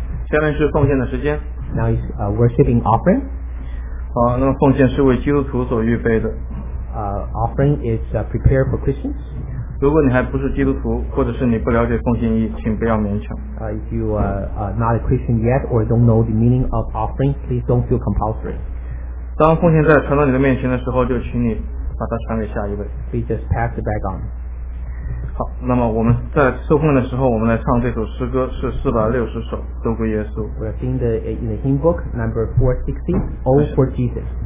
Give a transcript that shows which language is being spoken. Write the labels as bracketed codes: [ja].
[zh] 下面是奉献的时间。 [en] Now is worshiping offering. [zh] 好，那么奉献是为基督徒所预备的。 [en] Offering is prepared for Christians. [zh] 如果你还不是基督徒，或者是你不了解奉献意，请不要勉强。 [en] If you are not a Christian yet or don't know the meaning of offering, please don't feel compulsory. [zh] 当奉献在传到你的面前的时候，就请你把它传给下一位。 [en] Please just pass the bag on. [zh] 好，那么我们在受奉的时候，我们来唱这首诗歌，是460首，都归耶稣。 [en] We are singing in the hymn book number 460, All for Jesus.